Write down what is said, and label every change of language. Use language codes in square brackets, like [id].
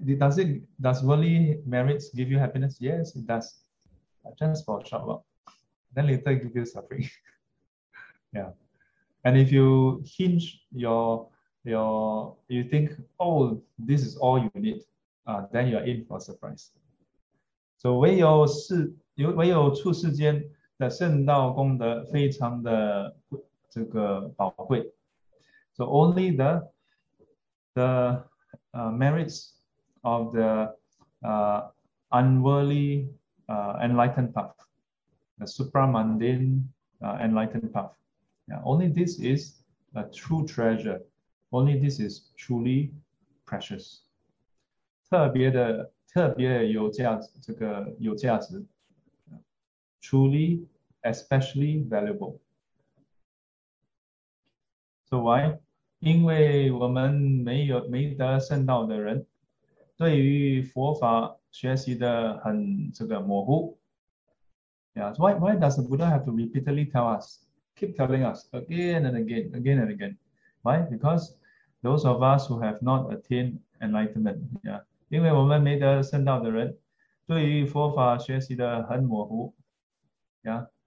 [en] Does worldly merits give you happiness? Yes, it does. But just for a short while. Then later it give you suffering. Yeah. And if you hinge you think, oh, this is all you need, then you're in for a surprise. [zh] So 唯有处世间的圣道功德非常的。这个宝贵， [en] so only the merits of the unworldly enlightened path, the supramundane enlightened path, yeah, only this is a true treasure, only this is truly precious, [zh] 特别有价值，这个有价值， [en] truly especially valuable。 So why？ [zh] 因为我们没得圣道的人，对于佛法学习的很这个模糊。 [en] Yeah, so why does the Buddha have to repeatedly tell us, keep telling us again and again, again and again? Why? Because those of us who have not attained enlightenment, yeah, [zh] 因为我们没得圣道的人，对于佛法学习的很模糊。 [en] Yeah。